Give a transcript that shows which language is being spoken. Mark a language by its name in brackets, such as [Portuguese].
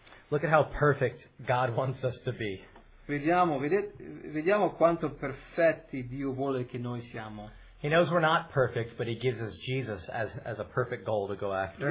[English] Look at how perfect God wants us to be. [Italian] Vediamo quanto perfetti Dio vuole che noi siamo. [English] He knows we're not perfect, but he gives us Jesus as a perfect goal to go after.